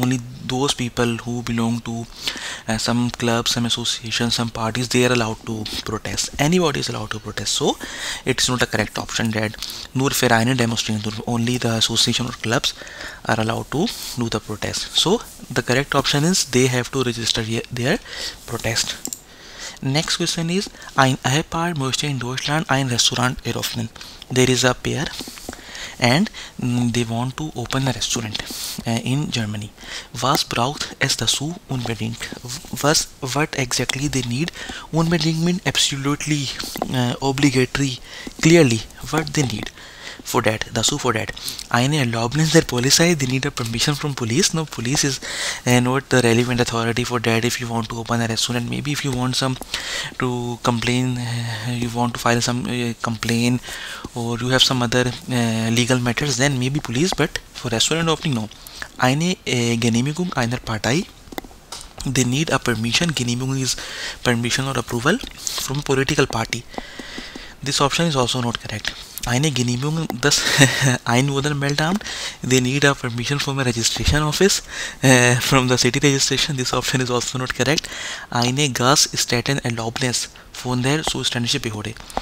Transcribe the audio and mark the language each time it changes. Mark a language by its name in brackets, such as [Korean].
[English] Only those people who belong to some clubs, some associations, some parties, they are allowed to protest. Anybody is allowed to protest. So it is not a correct option that [German] nur Vereine demonstrieren, [English] only the association or clubs are allowed to do the protest. So the correct option is they have to register their protest. Next question is, [German] ein Ehepaar möchte in Deutschland ein Restaurant eröffnen. [English] There is a pair and they want to open a restaurant in Germany. [German] Was braucht es dazu unbedingt? [English] What exactly they need? Unbedingt mean absolutely, obligatory, clearly what they need. For that, dazu for that. [German] Eine Erlaubnis der Polizei, [English] they need a permission from police. No, police is not the relevant authority for that. If you want to open a restaurant, maybe if you want some to complain, you want to file some complaint, or you have some other legal matters, then maybe police, but for restaurant opening, no. [German] Eine Genehmigung einer Partei, [English] they need a permission. Genehmigung is permission or approval from a political party. This option is also not correct. [German] Eine Genehmigung, das Einwohnermeldeamt. [English] They need a permission from a registration office, from the city registration. This option is also not correct. [German] Eine Gas Staten Erlaubnis von der zuständigen Behörde.